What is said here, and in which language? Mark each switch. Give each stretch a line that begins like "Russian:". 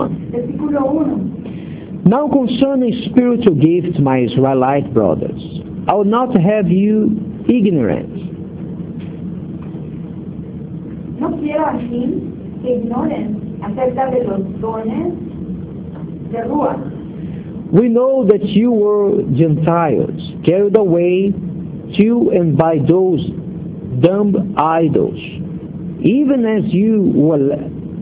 English: Verse 1. Now concerning spiritual gifts, my Israelite brothers, I would not have you ignorant.
Spanish: No quiero así que ignoren acerca de los dones de Ruach.
English: We know that you were Gentiles, carried away to and by those dumb idols, even as you were led.